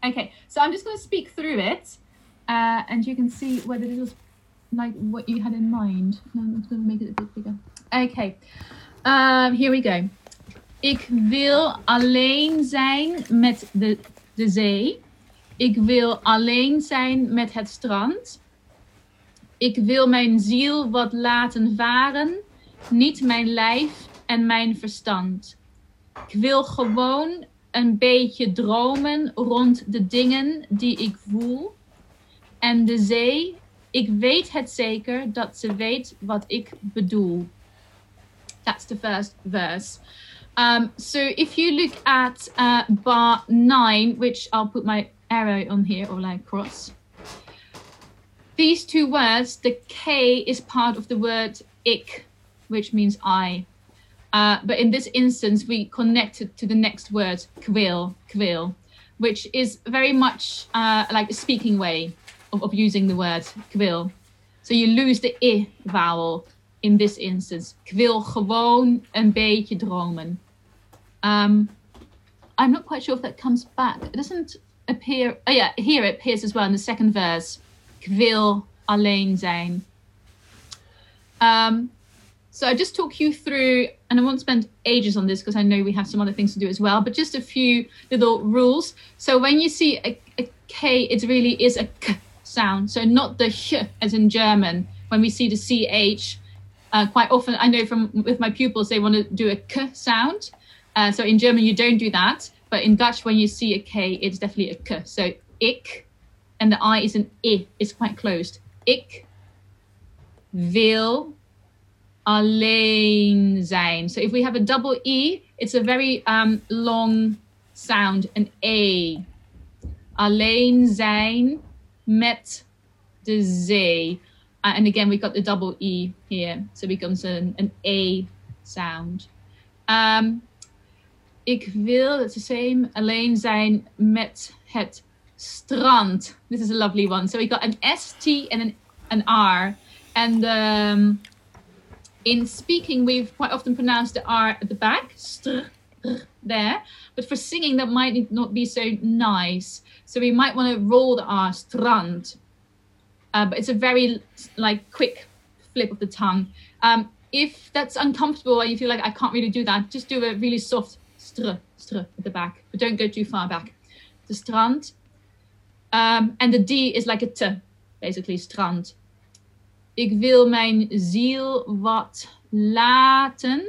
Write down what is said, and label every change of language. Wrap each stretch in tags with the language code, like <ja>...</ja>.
<en>Okay, so I'm just going to speak through it, and you can see whether it was like what you had in mind. No, I'm just going to make it a bit bigger. Okay, here we go.</en> <nl>Ik wil alleen zijn met de zee. Ik wil alleen zijn met het strand. Ik wil mijn ziel wat laten varen, niet mijn lijf en mijn verstand. Ik wil gewoon een beetje dromen rond de dingen die ik voel. En de zee, ik weet het zeker dat ze weet wat ik bedoel.</nl> <en>That's the first verse. So if you look at bar 9, which I'll put my arrow on here, or like cross. These two words, the K is part of the word ik, which means I. But in this instance, we connect it to the next word, kwil, which is very much like a speaking way of using the word kwil. So you lose the I vowel in this instance.</en> <nl>Kwil gewoon een beetje dromen.</nl> <en>I'm not quite sure if that comes back. It doesn't appear. Oh yeah, here it appears as well in the second verse.</en> <nl>Kwil alleen zijn.</nl> <en>So I just talk you through, and I won't spend ages on this because I know we have some other things to do as well, but just a few little rules. So when you see a K, it really is a K sound. So not the H as in German. When we see the CH, quite often, I know from with my pupils, they want to do a K sound. So in German, you don't do that. But in Dutch, when you see a K, it's definitely a K. So ik, and the I is an I, it's quite closed.</en> <nl>Ik wil alleen zijn.</nl> <en>So if we have a double E, it's a very long sound, an A.</en> <nl>Alleen zijn met de zee.</nl> <en>And again, we've got the double E here. So it becomes an A sound. Ik wil, it's the same,</en> <nl>alleen zijn met het strand.</nl> <en>This is a lovely one. So we got an S, T, and an R. And in speaking, we've quite often pronounced the R at the back, there. But for singing, that might not be so nice. So we might want to roll the R, strand. But it's a very like quick flip of the tongue. If that's uncomfortable and you feel like I can't really do that, just do a really soft str at the back, but don't go too far back. The strand. And the D is like a T, basically, strand.</en> <nl>Ik wil mijn ziel wat laten.</nl>